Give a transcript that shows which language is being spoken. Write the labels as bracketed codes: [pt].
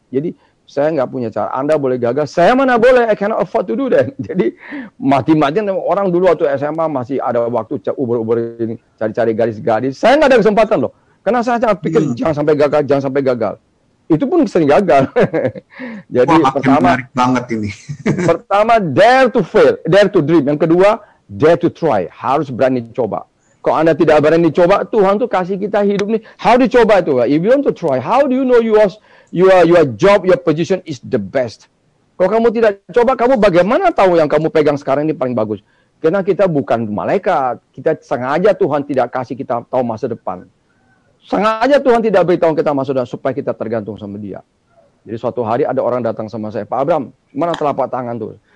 [id] Jadi saya gak punya cara. Anda boleh gagal. Saya mana boleh. [en] I cannot afford to do that. [id] Jadi mati-matian. Orang dulu waktu SMA masih ada waktu uber-uber ini. Cari-cari garis-garis. Saya gak ada kesempatan loh. Karena saya sangat pikir jangan sampai gagal. Itu pun sering gagal. Jadi wah, pertama menarik banget ini. Pertama, [en] dare to fail, dare to dream. [id] Yang kedua, [en] dare to try. [id] Harus berani coba. Kalau Anda tidak berani coba, Tuhan tuh kasih kita hidup nih. [en] How do you [id] coba itu? [en] If you want to try, how do you know your job, your position is the best? [id] Kalau kamu tidak coba, kamu bagaimana tahu yang kamu pegang sekarang ini paling bagus? Karena kita bukan malaikat. Kita sengaja Tuhan tidak kasih kita tahu masa depan. Sengaja Tuhan tidak beritahu kita maksudnya supaya kita tergantung sama dia. Jadi suatu hari ada orang datang sama saya, Pak Abraham, mana telapak tangan tuh?